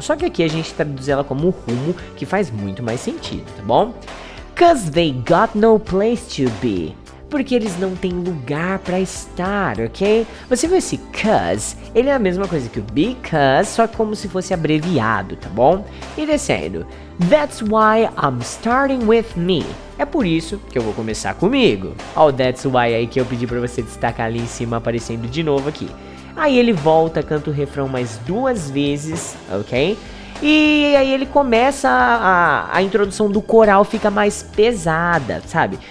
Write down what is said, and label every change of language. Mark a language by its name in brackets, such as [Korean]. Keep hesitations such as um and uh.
[Portuguese] Só que aqui a gente traduz ela como rumo, que faz muito mais sentido, tá bom? [English] Cause they got no place to be [Portuguese] porque eles não têm lugar para estar, ok? Você viu esse cuz? Ele é a mesma coisa que o because, só como se fosse abreviado, tá bom? E descendo. [English] That's why I'm starting with me. [Portuguese] É por isso que eu vou começar comigo. Ó, oh, that's why aí que eu pedi para você destacar ali em cima, aparecendo de novo aqui. Aí ele volta, canta o refrão mais duas vezes, ok? E aí ele começa a, a, a, introdução do coral fica mais pesada, sabe?